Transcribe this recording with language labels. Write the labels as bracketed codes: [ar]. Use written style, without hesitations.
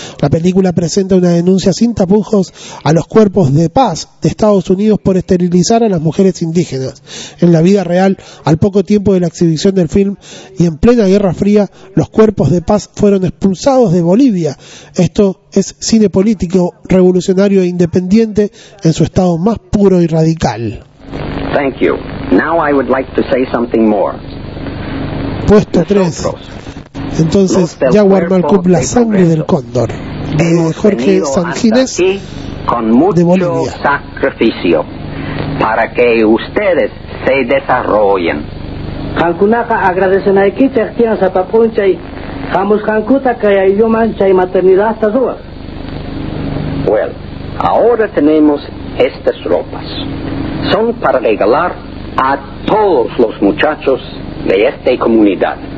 [es] La película presenta una denuncia sin tapujos a los cuerpos de paz de Estados Unidos por esterilizar a las mujeres indígenas. En la vida real, al poco tiempo de la exhibición del film y en plena Guerra Fría, los cuerpos de paz fueron expulsados de Bolivia. Esto es cine político, revolucionario e independiente en su estado más puro y radical. [en] Thank you. Now I would like to say something more. [es] Puesto 3. Entonces, Jaguar Malcub, La sangre del cóndor, de Jorge Sanginés, de Bolivia. Con mucho sacrificio para que ustedes se desarrollen. Kankunaka agradecen a Ekicha, Tian Sapapuncha y Hamus Kankuta, Kaya y Yomancha y Maternidad Tazua. Bueno, ahora tenemos estas ropas. Son para regalar a todos los muchachos de esta comunidad.